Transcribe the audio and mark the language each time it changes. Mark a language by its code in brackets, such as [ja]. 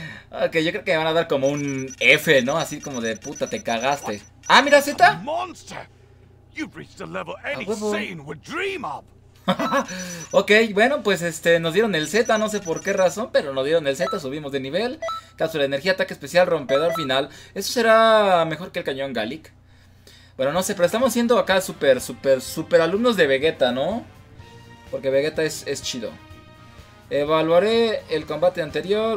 [es] Okay, yo creo que me van a dar como un F, ¿no? Así como de puta, te cagaste. Ah, mira, Z. [en] You've reached a level any sane would dream of. [es] Ok, bueno, pues nos dieron el Z, no sé por qué razón, pero nos dieron el Z, subimos de nivel. Cápsula de energía, ataque especial, rompedor final. Eso será mejor que el cañón Gallic. Bueno, no sé, pero estamos siendo acá super, super, super alumnos de Vegeta, ¿no? Porque Vegeta es chido. Evaluaré el combate anterior.